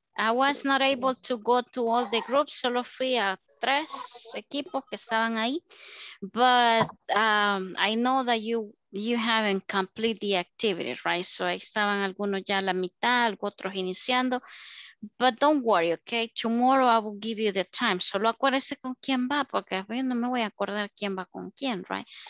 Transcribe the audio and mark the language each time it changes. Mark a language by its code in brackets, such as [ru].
[en] I was not able to go to all the groups. [es] Solo fui a tres equipos que estaban ahí. [en] But I know that you haven't completed the activity, right? [es] So estaban algunos ya a la mitad, otros iniciando. [en] But don't worry, okay? Tomorrow I will give you the time. [es] Solo acuérdese con quién va, porque yo no me voy a acordar quién va con quién, right?